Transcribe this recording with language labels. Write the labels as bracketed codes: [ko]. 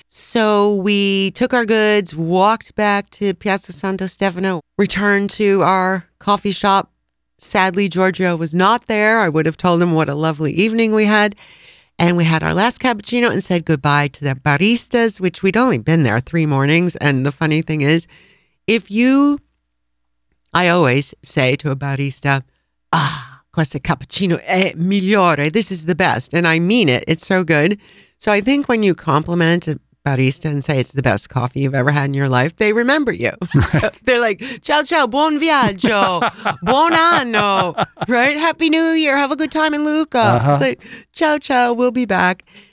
[en] So we took our goods, walked back to Piazza Santo Stefano, returned to our coffee shop. Sadly, Giorgio was not there. I would have told him what a lovely evening we had. And we had our last cappuccino and said goodbye to the baristas, which we'd only been there 3 mornings. And the funny thing is, I always say to a barista, [it] questo cappuccino è migliore. [en] This is the best. And I mean it. It's so good. So I think when you compliment a barista and say it's the best coffee you've ever had in your life, they remember you. So they're like, [it] ciao, ciao, buon viaggio, buon anno, [en] right? Happy New Year, have a good time in Lucca. Uh-huh. It's like, [it] ciao, ciao, [en] we'll be back.